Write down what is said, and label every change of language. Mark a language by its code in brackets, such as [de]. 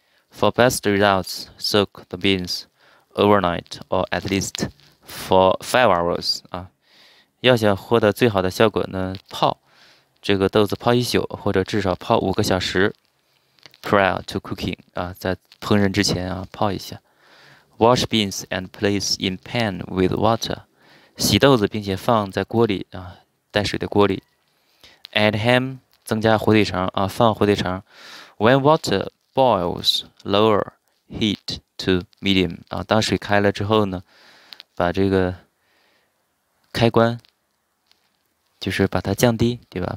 [en] For best results, soak the beans overnight or at least for 5 hours. [zh] 啊，要想获得最好的效果呢，泡这个豆子泡一宿，或者至少泡5个小时。 [en] Prior to cooking, [zh] 啊，在烹饪之前啊，泡一下。 [en] Wash beans and place in pan with water. [zh] 洗豆子并且放在锅里啊，带水的锅里。 [en] Add ham, [zh] 增加火腿肠啊，放火腿肠。 [en] When water boils, lower heat to medium. [zh] 啊，当水开了之后呢，把这个开关，就是把它降低，对吧？